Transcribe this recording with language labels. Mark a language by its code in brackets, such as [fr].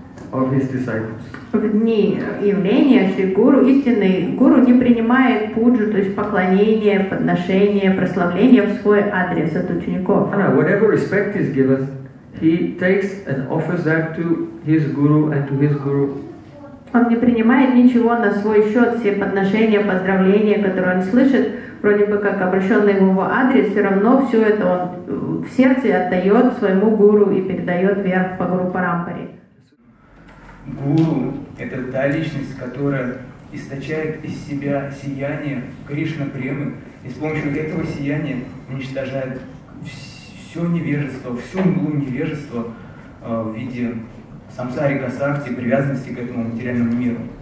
[ru] В дни явления Шри Гуру, истинный Гуру не принимает пуджу, то есть поклонение, подношение, прославление в свой адрес от учеников. [en] Whatever respect is given, he takes and offers that to his guru and to his guru. [ru] Он не принимает ничего на свой счет, все подношения, поздравления, которые он слышит, вроде бы как обращенные в его адрес, все равно все это он в сердце отдает своему гуру и передает вверх по гуру парампаре. Гуру – это та личность, которая источает из себя сияние Кришна-премы, и с помощью этого сияния уничтожает все невежество, всю мглу невежества в виде самсари-касахти, привязанности к этому материальному миру.